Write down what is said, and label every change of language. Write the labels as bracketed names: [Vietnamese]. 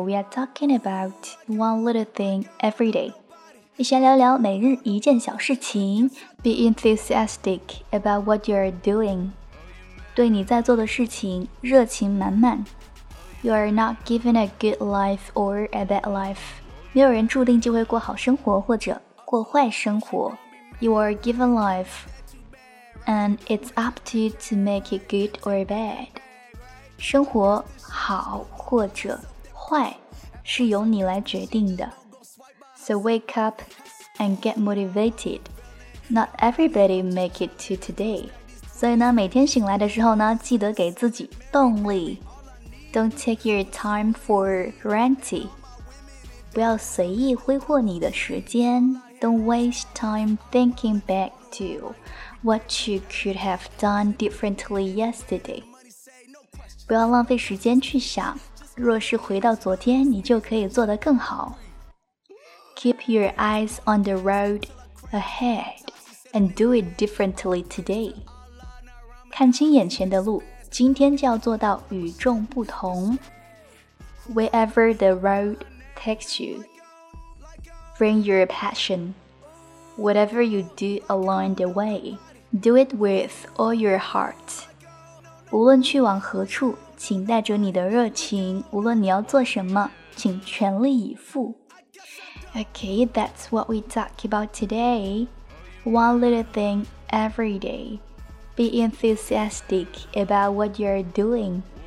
[English] We are talking about one little thing every day. [Chinese] 一起来聊聊每日一件小事情。 [English] Be enthusiastic about what you are doing. [Chinese] 对你在做的事情热情满满。 [English] You are not given a good life or a bad life. [Chinese] 没有人注定就会过好生活或者过坏生活。 [English] You are given life, and it's up to you to make it good or bad. [Chinese] 生活好或者坏是由你来决定的。 [English] So wake up and get motivated. Not everybody make it to today. [Chinese] 所以呢，每天醒来的时候呢，记得给自己动力。 [English] Don't take your time for granted. [Chinese] 不要随意挥霍你的时间。 [English] Don't waste time thinking back to what you could have done differently yesterday. [Chinese] 不要浪费时间去想，若是回到昨天，你就可以做得更好。 [English] Keep your eyes on the road ahead and do it differently today. [Chinese] 看清眼前的路，今天就要做到与众不同。 [English] Wherever the road takes you, bring your passion. Whatever you do along the way, do it with all your heart. [Chinese] 无论去往何处，请带着你的热情，无论你要做什么，请全力以赴。 [English] Okay, that's what we talk about today. One little thing every day. Be enthusiastic about what you're doing.